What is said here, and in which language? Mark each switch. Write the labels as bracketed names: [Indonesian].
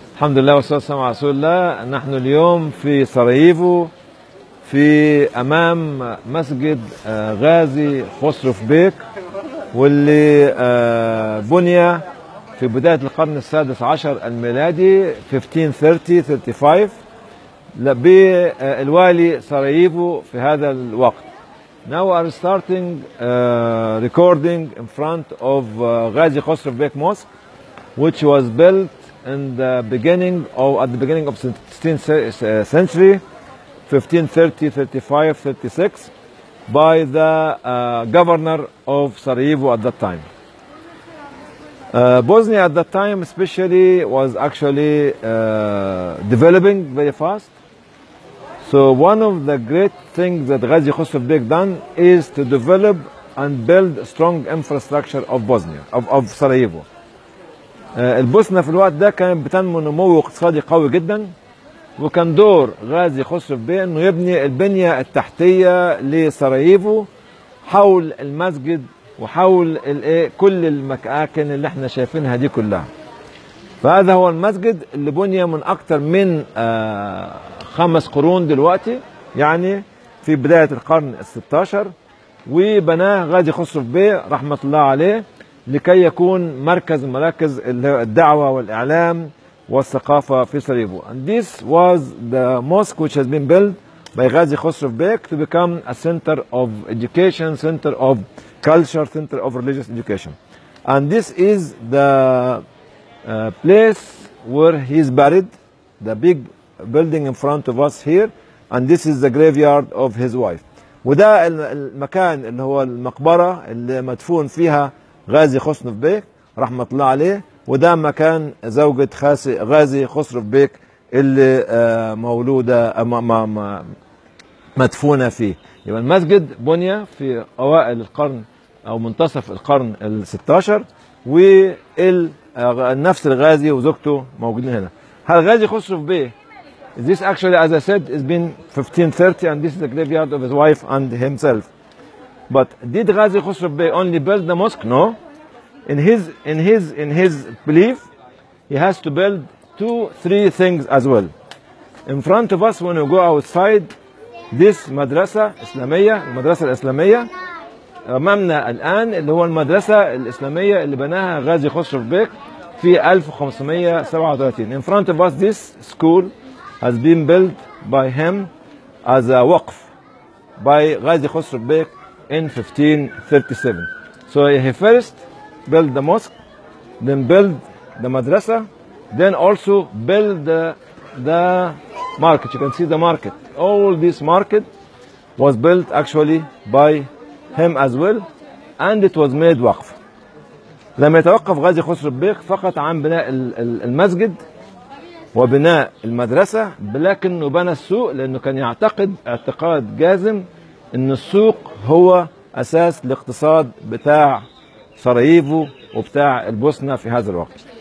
[Arabic] الحمد لله والصلاة والسلام على رسول الله. نحن اليوم في سراييفو في أمام مسجد غازي خسروف بيك، واللي بني في بداية القرن السادس عشر الميلادي 1530-35 بالوالي سراييفو في هذا الوقت. [English] Now we are starting recording in front of Gazi Khosrov Beg mosque, which was built in the beginning of at the beginning of 16th century, 1530-35-36, by the governor of Sarajevo at that time. Bosnia at that time especially was actually developing very fast. So one of the great things that Gazi Khosrov Beg done is to develop and build strong infrastructure of Bosnia, of Sarajevo. [Arabic] البوسنة في الوقت ده كانت بتنمو نمو اقتصادي قوي جدا، وكان دور غازي خسروف بيه انه يبني البنية التحتية لسراييفو حول المسجد وحول كل المكاكن اللي احنا شايفينها دي كلها. فهذا هو المسجد اللي بني من اكتر من خمس قرون دلوقتي، يعني في بداية القرن الستاشر، وبناه غازي خسروف بيه رحمة الله عليه لكي يكون مركز مراكز الدعوة والإعلام والثقافة في سراييفو. [English] And this was the mosque which has been built by Gazi Khosrov Beg to become a center of education, center of culture, center of religious education. And this is the place where he is buried, the big building in front of us here. And this is the graveyard of his wife. [Arabic] وده المكان اللي هو المقبرة اللي مدفون فيها غازي خسروف بيك رحمة الله عليه، وده مكان زوجة غازي خسروف بيك اللي مولودة مدفونة فيه. يبقى المسجد بني في أوائل القرن أو منتصف القرن الستاشر، والنفس الغازي وزوجته موجودين هنا. [English] هل Gazi Khosrov Beg this actually as I said has been 1530 and this is the graveyard of his wife and himself. But did Gazi Khosrov Beg only build the mosque? No. In his belief, he has to build two, three things as well. In front of us, when you go outside, this [Arabic] madrasa islamiyya, madrasa islamiyya, أمامنا الآن اللي هو المدرسة الإسلامية اللي بناها غازي خسروف بيك في 1537. [English] In front of us, this school has been built by him as a waqf by Gazi Khosrov Beg in 1537. So he first build the mosque, then build the madrasa, then also build the market. You can see the market. All this market was built actually by him as well, and it was made waqf. [Arabic] لما يتوقف غازي خسروف بيك فقط عن بناء المسجد وبناء المدرسة، لكنه بنى السوق لأنه كان يعتقد اعتقاد جازم أن السوق هو أساس الاقتصاد بتاع سراييفو وبتاع البوسنة في هذا الوقت.